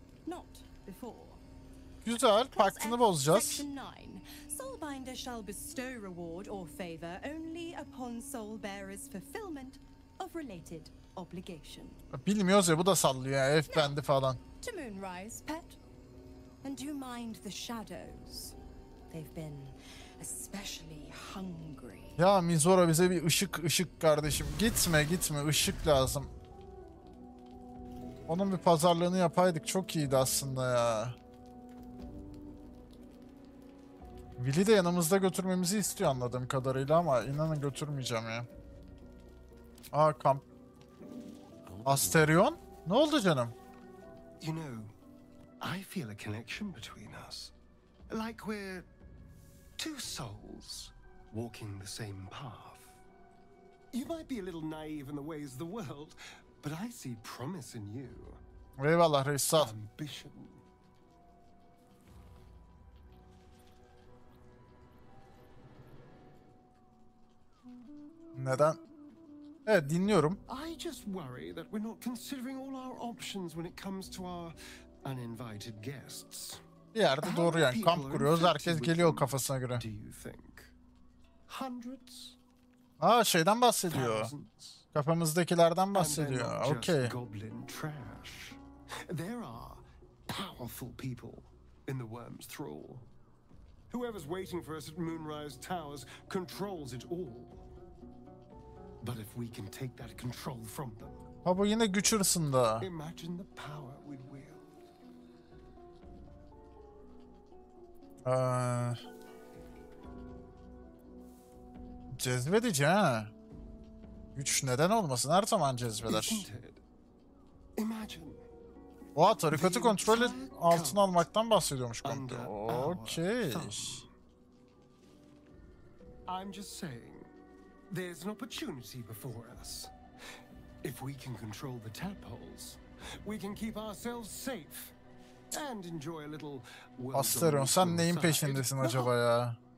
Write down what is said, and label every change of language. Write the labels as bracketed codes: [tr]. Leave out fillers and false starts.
[en] Not before. [tr] Güzel, paktını bozacağız. [en] Soulbinder shall bestow reward or favor only upon soulbearer's fulfillment of related obligation. [tr] Bilmiyoruz ya, bu da sallıyor ya, F bendi falan. [en] To Moonrise, pet. And do you mind the shadows? They've been especially hungry. [tr] Ya Mizora, bize bir ışık kardeşim. Gitme gitme, ışık lazım. Onun bir pazarlığını yapaydık. Çok iyiydi aslında ya. Willi de yanımızda götürmemizi istiyor anladığım kadarıyla ama inanın götürmeyeceğim ya. Aa, kamp. Asterion? Ne oldu canım? [en] You know, I feel a connection between us. Like we're two souls walking the same path. You might be a little naive in the ways of the world. But I see promise in you. [tr] Eyvallah Reysa. Ambition. Neden? Evet, dinliyorum. [en] I just worry that we're not considering all our options when it comes to our uninvited guests. [tr] Bir yerde doğru yani. Kamp kuruyoruz. Herkes geliyor kafasına göre. [en] Do you think? Hundreds? [tr] Aa, şeyden bahsediyor. [en] Thousands? [tr] Kafamızdakilerden bahsediyor. [en] Okay. Goblin trash. There are powerful people in the worm's thrall. Whoever's waiting for us at Moonrise Towers controls it all. But if we can take that control from them. [tr] Ha bu yine güç hırsında. [en] Imagine the power we'd wield. [tr] Cezbedici ha. Güç neden olmasın? Her zaman cezbeder. [en] Imagine. [tr] O tarikatı kontrol altına almaktan bahsediyormuş kanka. Okey. [en] I'm just saying there's an opportunity before us. If we can control the tadpoles, we can keep ourselves safe and enjoy a little. [tr] Asterion, sen neyin peşindesin acaba ya?